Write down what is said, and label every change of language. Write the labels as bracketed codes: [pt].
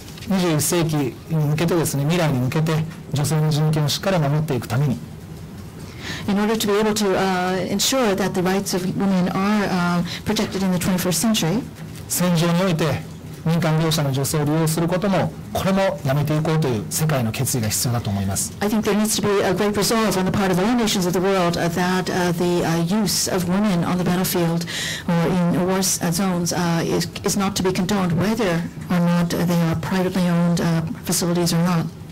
[ja] 21世紀に向けてですね、未来に向けて女性の人権をしっかり守っていくために。 [en] in order to be able to ensure that the rights of women are protected in the 21st century. [ja] 戦場において民間業者の女性を利用することも、これもやめていこうという世界の決意が必要だと思います。 [en] I think there needs to be a great resolve on the part of all nations of the world that the use of women on the battlefield or in war zones is not to be condoned, whether or not they are privately owned facilities or not.